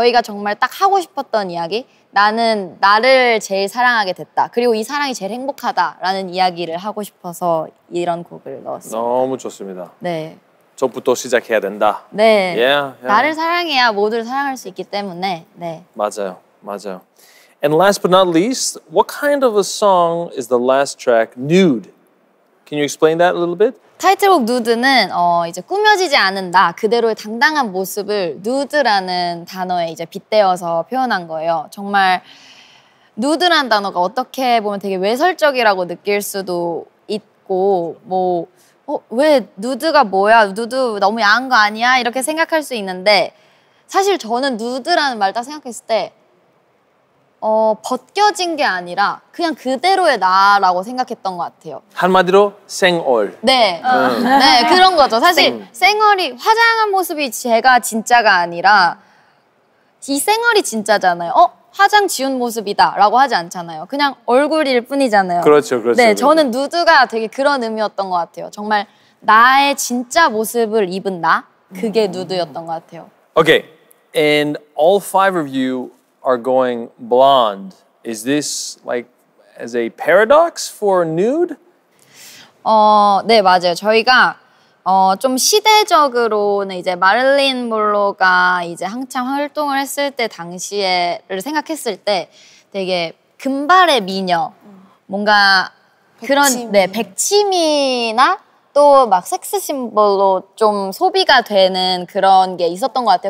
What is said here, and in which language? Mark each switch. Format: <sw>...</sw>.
<ko>저희가 정말 딱 하고 싶었던 이야기. 나는 나를 제일 사랑하게 됐다. 그리고 이 사랑이 제일 행복하다라는 이야기를 하고 싶어서 이런 곡을 넣었습니다. 너무 좋습니다. 네. 저부터 시작해야 된다. 네.</ko> <en>Yeah, yeah.</en> <ko>나를 사랑해야 모두를 사랑할 수 있기 때문에. 네. 맞아요.</ko> <en>And last but not least, what kind of a song is the last track, Nude? Can you explain that a little bit?</en> <ko>타이틀곡 누드는 이제 꾸며지지 않은 나 그대로의 당당한 모습을 누드라는 단어에 이제 빗대어서 표현한 거예요. 정말 누드라는 단어가 어떻게 보면 되게 외설적이라고 느낄 수도 있고 뭐 왜 누드가 뭐야? 누드 너무 야한 거 아니야? 이렇게 생각할 수 있는데 사실 저는 누드라는 말 딱 생각했을 때 벗겨진 게 아니라 그냥 그대로의 나라고 생각했던 것 같아요. 한마디로 생얼. 네. 네, 그런 거죠. 사실 생얼이 화장한 모습이 제가 진짜가 아니라 이 생얼이 진짜잖아요. 화장 지운 모습이다 라고 하지 않잖아요. 그냥 얼굴일 뿐이잖아요. 그렇죠, 그렇죠. 네, 그렇죠. 저는 누드가 되게 그런 의미였던 것 같아요. 정말 나의 진짜 모습을 입은 나? 그게 누드였던 것 같아요.</ko> <en>Okay, and all five of you are going blonde. Is this like as a paradox for nude?</en> <ko>네, 맞아요. 저희가 좀 시대적으로는 이제 마릴린 몬로가 이제 한창 활동을 했을 때 당시에를 생각했을 때 되게 금발의 미녀 뭔가 그런 백치미. 네 백치미나 또 막 섹스 심볼로 좀 소비가 되는 그런 게 있었던 것 같아요.</ko>